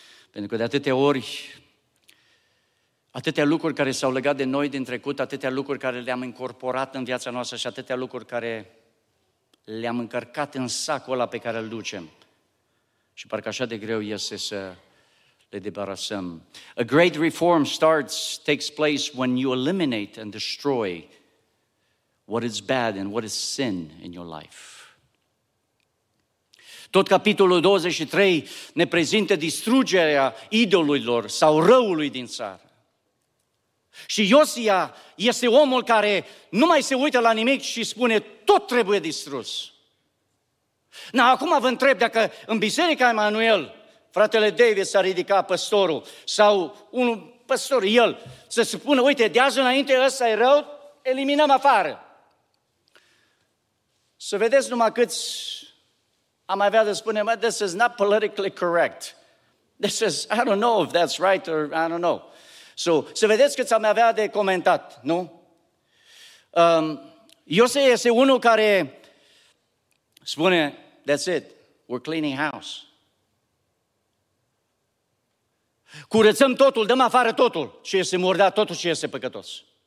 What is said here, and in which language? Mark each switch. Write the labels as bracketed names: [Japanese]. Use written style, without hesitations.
[Romanian] Pentru că de atâtea ori, atâtea lucruri care s-au legat de noi din trecut, atâtea lucruri care le-am incorporat în viața noastră și atâtea lucruri care le-am încărcat în sacul ăla pe care îl ducem. Și parcă așa de greu este să le debarasăm. [English] A great reform takes place when you eliminate and destroy what is bad and what is sin in your life. [Romanian] Tot capitolul 23 ne prezintă distrugerea idolilor sau răului din țară. Și Iosia este omul care nu mai se uită la nimic și spune tot trebuie distrus. Na, acum vă întreb dacă în biserica Emanuel fratele David s-a ridicat păstorul sau un păstor, el, să spună, uite, de azi înainte ăsta e rău, eliminăm afară. Să vedeți numai câți am avea de spune, mă, [English] this is not politically correct. This is, I don't know if that's right or I don't know. [Romanian] So, să vedeți câți am avea de comentat, nu? Iosea este unul care spune, [English] that's it, we're cleaning house. [Romanian] Curățăm totul, dăm afară totul ce este murdar, totul ce este păcătos.